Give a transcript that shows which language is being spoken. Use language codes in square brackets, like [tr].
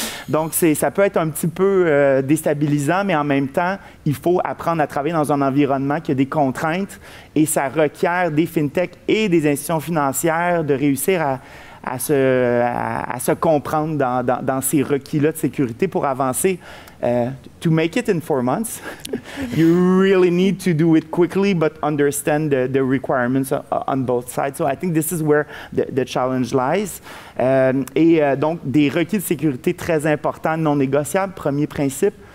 [fr] Donc, ça peut être un petit peu déstabilisant, mais en même temps, il faut apprendre à travailler dans un environnement qui a des contraintes et ça requiert des fintechs et des institutions financières de réussir à se comprendre dans ces requis-là de sécurité pour avancer. [en] To make it in 4 months, you really need to do it quickly, but understand the requirements on both sides. So I think this is where the challenge lies. [fr] Donc, des requis de sécurité très importants, non négociables, premier principe.